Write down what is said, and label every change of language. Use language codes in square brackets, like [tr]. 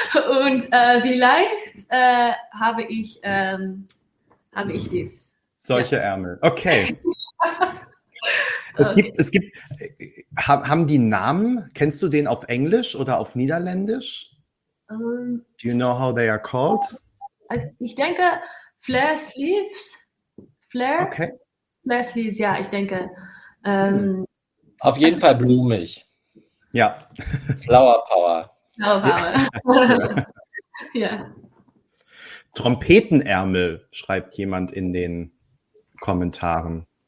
[de] Und vielleicht habe ich dies. Solche ja. Ärmel, okay. Okay. Es gibt, haben die Namen, kennst du den auf Englisch oder auf Niederländisch? [en] Do you know how they are called? [de] Ich denke Flare Sleeves. Flare? Okay. Flare Sleeves, ja, ich denke. Auf jeden Fall blumig. Ja. [en] Flower Power. [de] Ja. Trompetenärmel, schreibt jemand in den Kommentaren.